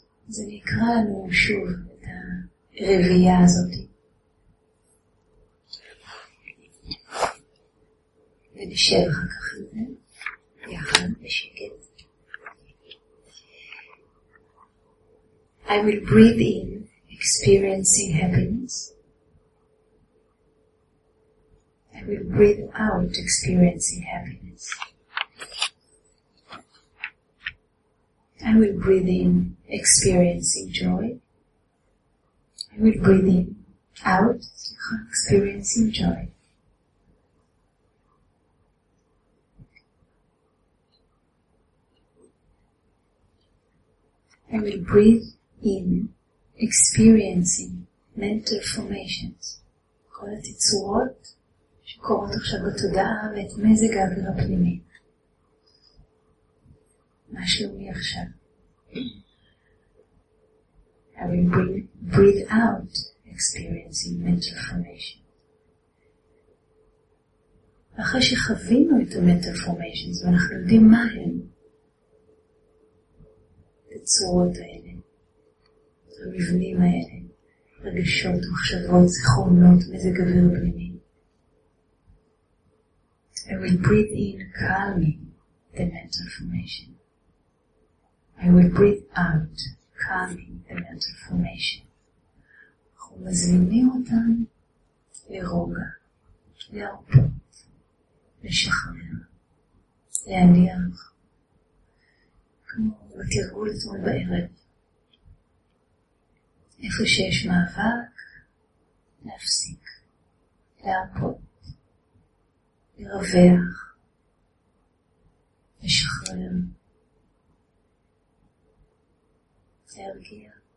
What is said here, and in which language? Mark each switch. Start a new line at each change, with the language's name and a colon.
Hebrew: אז אני אקרא לנו שוב את הרביעה הזאת. ונשב אחר כך עם זה, יחד בשקט.
English: I will breathe in, experiencing happiness. I will breathe out, experiencing happiness. I will breathe in, experiencing joy. I will breathe in, out, experiencing joy. I will breathe in, experiencing mental formations.
Hebrew: כל התצורות שקורות עכשיו בתודעה ואת מזג האוויר הפנימי. מה שלומי עכשיו?
English: I will breathe out, experiencing mental formation.
Hebrew: אחרי שחווינו את המנטל פורמיישנס ואנחנו יודעים מה הם, את הצורות האלה, את המבנים האלה, רגשות, מחשבות, זיכרונות, מזג אוויר פנימי.
English: I will breathe in calming, the mental formation. I will breathe out, calming the mental formation.
Hebrew: אנחנו מזמינים אותם לרוגע, להרפות, לשחרר, להניח. כמו בתרגול אתמול בערב. איפה שיש מאבק, להפסיק, להרפות, לרווח, לשחרר, להרגיע.